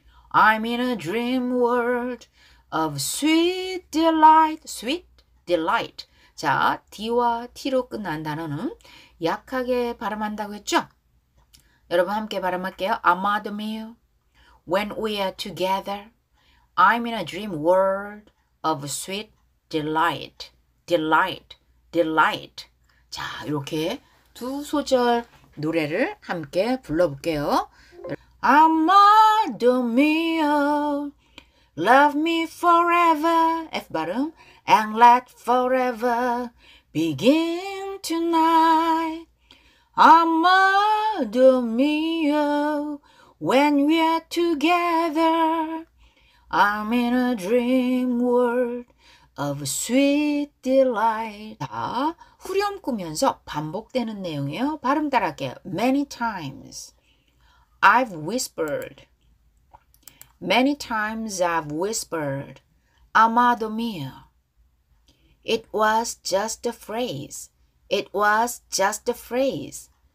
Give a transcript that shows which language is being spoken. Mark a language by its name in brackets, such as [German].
[English] I'm in a dream world of sweet delight. Sweet delight. [Korean] 자, D와 T로 끝난 단어는 약하게 발음한다고 했죠? 여러분 함께 발음할게요. [English] 아마도 미요. When we are together. I'm in a dream world of sweet delight. Delight. Delight. [Korean] 자, 이렇게 두 소절 노래를 함께 불러볼게요. [English] Amado mio, love me forever. F 발음. And let forever begin tonight. Amado mio, when we are together. I'm in a dream world of sweet delight. [Korean] 자, 후렴구면서 반복되는 내용이에요. 발음 따라할게요. [English] Many times I've whispered. Many times I've whispered. Amado mio. It was just a phrase. It was just a phrase.